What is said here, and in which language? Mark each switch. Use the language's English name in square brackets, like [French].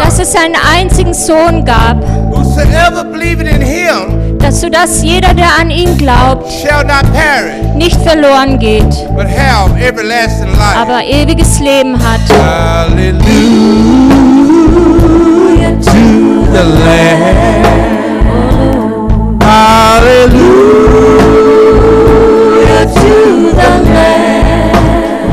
[German] Dass es seinen einzigen Sohn gab. [English] Whosoever believeth in him. [German] Dass so dass jeder, der an ihn glaubt, [English] shall not perish, [German] nicht verloren geht, [English] but have everlasting life. [German] Aber ewiges Leben hat. [English] Halleluja to the Lamb. Halleluja to the Lamb.